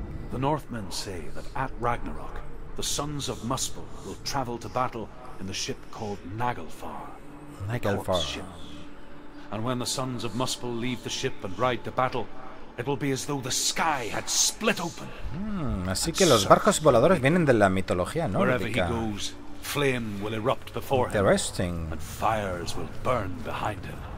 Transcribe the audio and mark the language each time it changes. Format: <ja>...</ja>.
<en>The Northmen say that at Ragnarok, the sons of Muspel will travel to battle in the ship called Naglfar. Naglfar. And when the sons of Muspel leave the ship and ride to battle, it will be as though the sky had split open.</en> <es>Así que los barcos voladores vienen de la mitología nórdica.</es> <en>Flame will erupt before him. Interesting. And fires will burn behind him.</en>